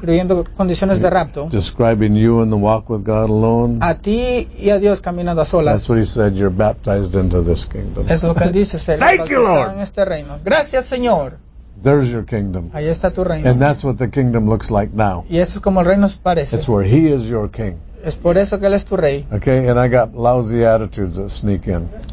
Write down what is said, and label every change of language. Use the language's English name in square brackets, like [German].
[Spanish] describiendo condiciones de rapto, [English] describing you and the walk with God alone, [Spanish] a ti y a Dios caminando a solas. [English] That's what he said, you're baptized into this kingdom. [Spanish] Es lo que él dice, ser [English] thank you, Lord. [Spanish] En este reino. Gracias, Señor. [English] There's your kingdom. [Spanish] Ahí está tu reino. [English] And that's what the kingdom looks like now. [Spanish] Y eso es como el reino se parece. [English] It's where he is your king. [Spanish] Es por eso que él es tu rey. [English] Okay, and I got lousy attitudes that sneak in.